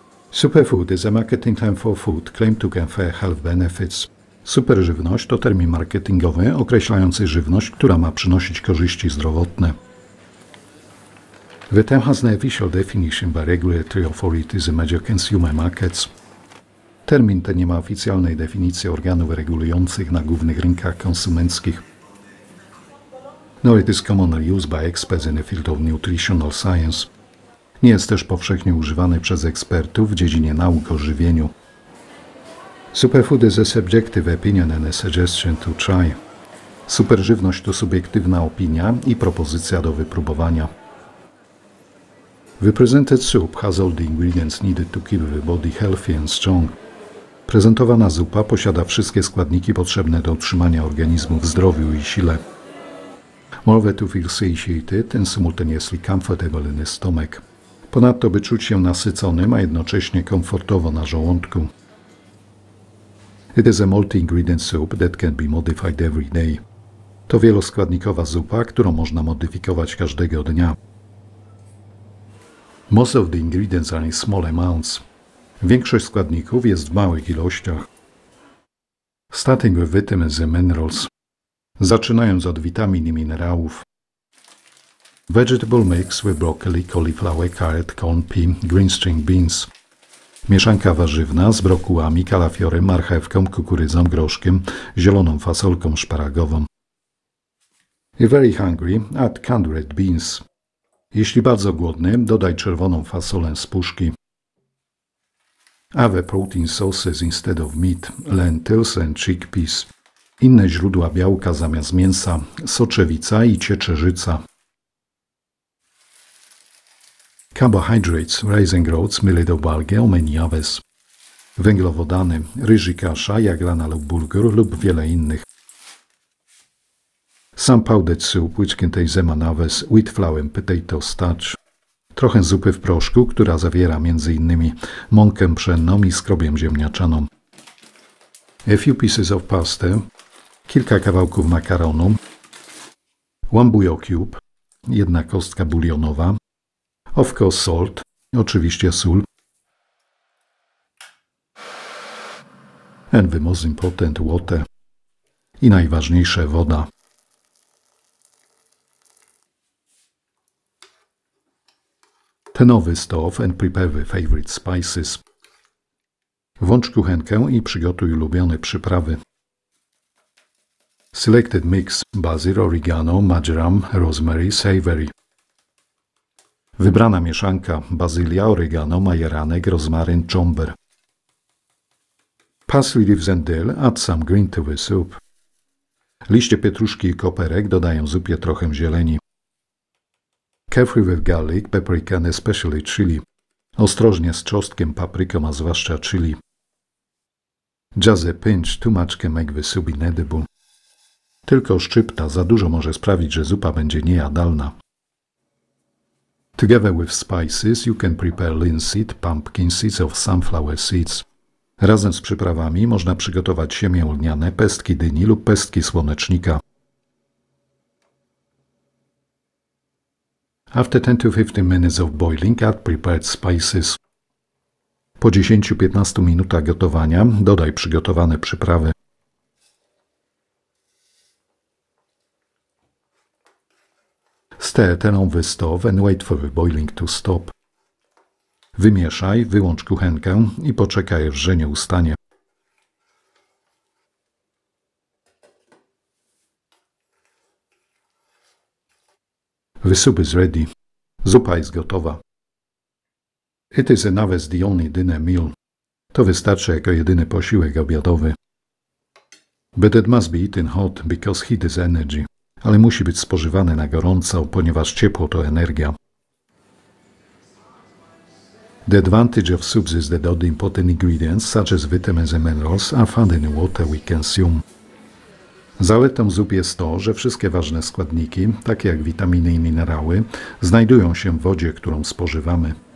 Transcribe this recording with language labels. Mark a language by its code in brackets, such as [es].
[en] Superfood is a marketing term for food, claimed to confer health benefits. [pl] Superżywność to termin marketingowy określający żywność, która ma przynosić korzyści zdrowotne. [en] The term has an official definition by regulatory authorities in major consumer markets. [pl] Termin ten nie ma oficjalnej definicji organów regulujących na głównych rynkach konsumenckich. [en] Nor it is commonly used by experts in the field of nutritional science. [pl] Nie jest też powszechnie używany przez ekspertów w dziedzinie nauk o żywieniu. [en] Superfood is a subjective opinion and a suggestion to try. [pl] Superżywność to subiektywna opinia i propozycja do wypróbowania. [en] The presented soup has all the ingredients needed to keep the body healthy and strong. [pl] Prezentowana zupa posiada wszystkie składniki potrzebne do utrzymania organizmu w zdrowiu i sile. [en] Moreover, to feel satiated and simultaneously comfortable in the stomach. [pl] Ponadto, by czuć się nasyconym, a jednocześnie komfortowo na żołądku. [en] It is a multi-ingredient soup that can be modified every day. [pl] To wieloskładnikowa zupa, którą można modyfikować każdego dnia. [en] Most of the ingredients are in small amounts. [pl] Większość składników jest w małych ilościach. [en] Starting with vitamins and minerals. [pl] Zaczynając od witamin i minerałów. [en] Vegetable mix with broccoli, cauliflower, carrot, corn, pea, green string beans. [pl] Mieszanka warzywna z brokułami, kalafiorem, marchewką, kukurydzą, groszkiem, zieloną fasolką szparagową. [en] If very hungry, add canned red beans. [pl] Jeśli bardzo głodny, dodaj czerwoną fasolę z puszki. [en] Other protein sources instead of meat, lentils and chickpeas. [pl] Inne źródła białka zamiast mięsa, soczewica i cieczerzyca. [en] Carbohydrates, rice and groats, millet or bulgur, or many others. [pl] Węglowodany, ryży, kasza, jaglana lub bulgur lub wiele innych. [en] Some powdered soup, which contains among others, wheat flour and potato starch. [pl] Trochę zupy w proszku, która zawiera m.in. mąkę pszenną i skrobię ziemniaczaną. [en] A few pieces of pasta. [pl] Kilka kawałków makaronu. [en] One bouillon cube. [pl] Jedna kostka bulionowa. [en] Of course salt. [pl] Oczywiście sól. [en] And the most important water. [pl] I najważniejsze woda. [en] Turn off the stove and prepare the favorite spices. [pl] Włącz kuchenkę i przygotuj ulubione przyprawy. [en] Selected mix basil, oregano, marjoram, rosemary, savory. [pl] Wybrana mieszanka bazylia, oregano, majeranek, rozmaryn, czomber. [en] Parsley leaves and dill, add some green to the soup. [pl] Liście pietruszki i koperek dodają zupie trochę zieleni. [en] Carefully with garlic, paprika and especially chili. [pl] Ostrożnie z czosnkiem, papryką, a zwłaszcza chili. [en] Just a pinch, too much can make the soup inedible. [pl] Tylko szczypta za dużo może sprawić, że zupa będzie niejadalna. [en] Together with spices, you can prepare linseed, pumpkin seeds or sunflower seeds. [pl] Razem z przyprawami można przygotować siemię lniane, pestki dyni lub pestki słonecznika. [en] After 10 to 15 minutes of boiling, add prepared spices. [pl] Po 10-15 minutach gotowania dodaj przygotowane przyprawy. [en] Stir, turn on the stove and wait for the boiling to stop. [pl] Wymieszaj, wyłącz kuchenkę i poczekaj, aż żenie ustanie. [en] The soup is ready. [pl] Zupa jest gotowa. [en] It is enough as the only dinner meal. [pl] To wystarczy jako jedyny posiłek obiadowy. [en] But it must be eaten hot because heat is energy. [pl] Ale musi być spożywane na gorąco, ponieważ ciepło to energia. [en] The advantage of soups is that all the important ingredients, such as vitamins and minerals, are found in the water we consume. [pl] Zaletą zup jest to, że wszystkie ważne składniki, takie jak witaminy i minerały, znajdują się w wodzie, którą spożywamy.